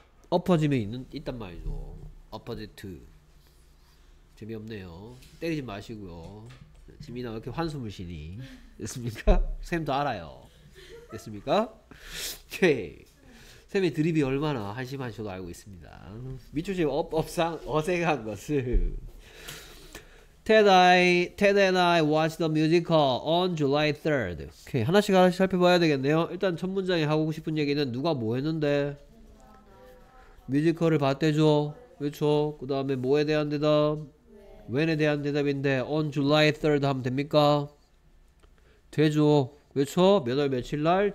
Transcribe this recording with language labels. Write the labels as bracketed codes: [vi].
[ko] opposite면 있단 말이죠. opposite. 재미없네요. 때리지 마시고요. 지민아 왜 이렇게 환숨을 쉬니? 됐습니까? 쌤도 알아요. 됐습니까? 오케이. 쌤의 드립이 얼마나 한심한지 저도 알고 있습니다. 미추씨 업상 어색한 것을. [en] Ted and I watched the musical on July 3rd. [ko] 오케이. 하나씩 살펴봐야 되겠네요. 일단 첫 문장에 하고 싶은 얘기는 누가 뭐 했는데? 뮤지컬을 봤대죠? 그렇죠? 그 다음에 뭐에 대한 대답? when에 대한 대답인데 [en] on July 3rd [ko] 하면 됩니까? 되죠. 그렇죠? 몇 월 며칠 날?